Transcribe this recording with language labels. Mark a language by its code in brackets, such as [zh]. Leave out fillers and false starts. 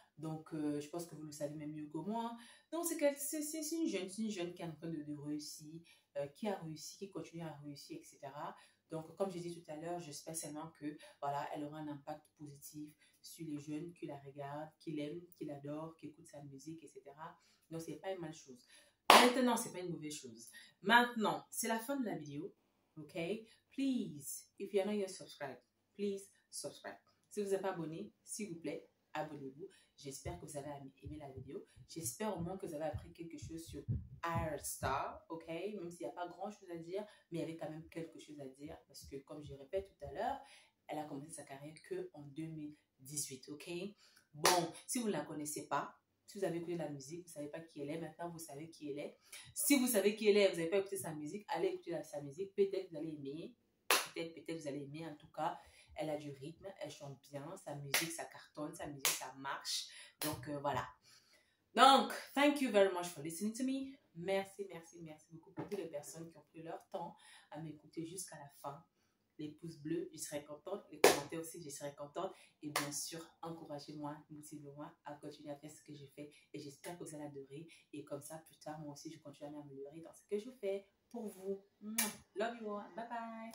[fr] Donc, je pense que vous le savez même mieux que moi. Donc, c'est une jeune qui est en train de réussir, qui a réussi, qui continue à réussir, etc. Donc, comme j'ai dit tout à l'heure, j'espère seulement que, voilà, elle aura un impact positif sur les jeunes qui la regardent, qui l'aiment, qui l'adorent, qui écoutent sa musique, etc. Donc, c'est pas une mauvaise chose. Maintenant, c'est pas une mauvaise chose. Maintenant, c'est la fin de la vidéo, ok? [en] Please, if you're not yet subscribed, please subscribe. [fr] Si vous n'êtes pas abonné, s'il vous plaît, abonnez-vous. J'espère que vous avez aimé la vidéo. J'espère au moins que vous avez appris quelque chose sur Ayra Starr, ok? Même s'il n'y a pas grand-chose à dire, mais il y avait quand même quelque chose à dire. Parce que, comme je répète tout à l'heure, elle a commencé sa carrière qu'en 2018, ok? Bon, si vous ne la connaissez pas, si vous avez écouté la musique, vous ne savez pas qui elle est. Maintenant, vous savez qui elle est. Si vous savez qui elle est, vous n'avez pas écouté sa musique, allez écouter sa musique. Peut-être que vous allez aimer. Peut-être vous allez aimer, en tout cas. Elle a du rythme, elle chante bien, sa musique, ça cartonne, sa musique, ça marche. Donc, voilà. [en] Donc, thank you very much for listening to me. [fr] Merci, merci, merci beaucoup pour toutes les personnes qui ont pris leur temps à m'écouter jusqu'à la fin. Les pouces bleus, je serai contente. Les commentaires aussi, je serai contente. Et bien sûr, encouragez-moi, motivez-moi à continuer à faire ce que je fais. Et j'espère que vous allez adorer. Et comme ça, plus tard, moi aussi, je continuerai à m'améliorer dans ce que je fais pour vous. [en] Love you all. Bye bye.